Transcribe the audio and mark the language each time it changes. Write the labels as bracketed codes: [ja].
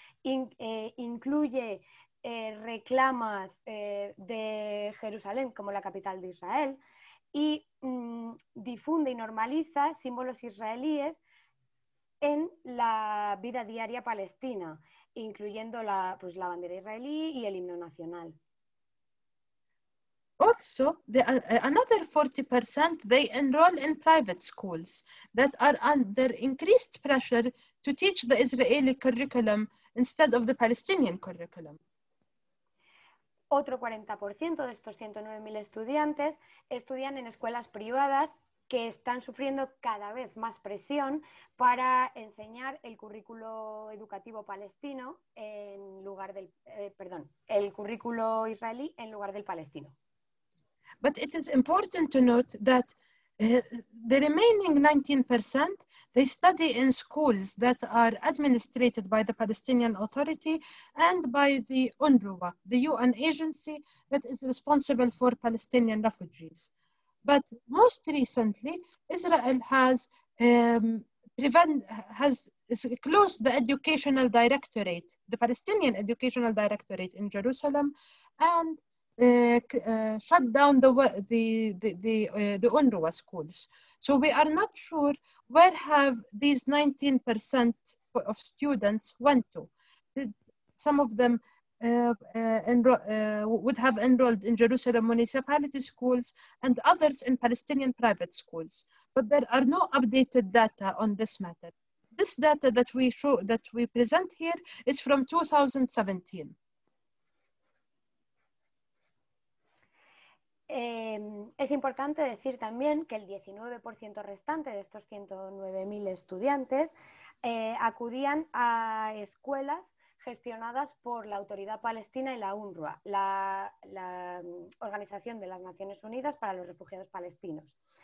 [es] Incluye reclamas de Jerusalén como la capital de Israel y difunde y normaliza símbolos israelíes en la vida diaria palestina, incluyendo la bandera israelí y el himno nacional. [en] Also, another 40% they enroll in private schools that are under increased pressure to teach the Israeli curriculum instead of the Palestinian curriculum. [es] Otro 40% de estos 109.000 estudiantes estudian en escuelas privadas que están sufriendo cada vez más presión para enseñar el currículo educativo palestino en lugar del el currículo israelí en lugar del palestino. [en] But it is important to note that the remaining 19% they study in schools that are administrated by the Palestinian Authority and by the UNRWA, the UN agency that is responsible for Palestinian refugees. But most recently, Israel has closed the educational directorate, the Palestinian educational directorate in Jerusalem, and shut down the UNRWA schools. So we are not sure where have these 19% of students went to. Some of them would have enrolled in Jerusalem municipality schools and others in Palestinian private schools. But there are no updated data on this matter. This data that we show, that we present here, is from 2017. [es] Es importante decir también que el 19% restante de estos 109.000 estudiantes acudían a escuelas gestionadas por la Autoridad Palestina y la UNRWA, la Organización de las Naciones Unidas para los Refugiados Palestinos.